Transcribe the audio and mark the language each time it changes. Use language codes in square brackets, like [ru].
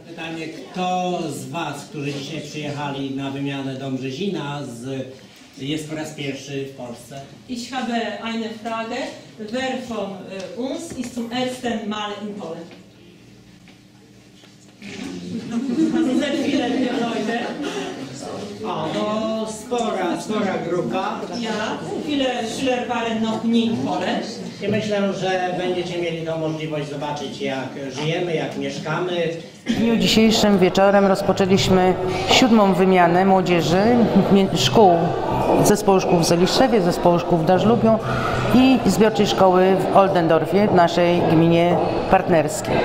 [pl] Pytanie, kto z was, którzy dzisiaj przyjechali na wymianę do Mrzezina, jest po raz pierwszy w Polsce? [de] Ich habe eine Frage. Wer von uns ist zum ersten Mal in Polen? Sehr viele Leute. [pl] No, spora grupa. [de] Ja, viele Schüler waren noch nie in Polen. [pl] I myślę, że będziecie mieli tą możliwość zobaczyć, jak żyjemy, jak mieszkamy. W dniu dzisiejszym wieczorem rozpoczęliśmy 7. wymianę młodzieży szkół, zespołu szkół w Zeliszewie, zespołu szkół w Dażlubiu i zbiorczej szkoły w Oldendorfie, w naszej gminie partnerskiej.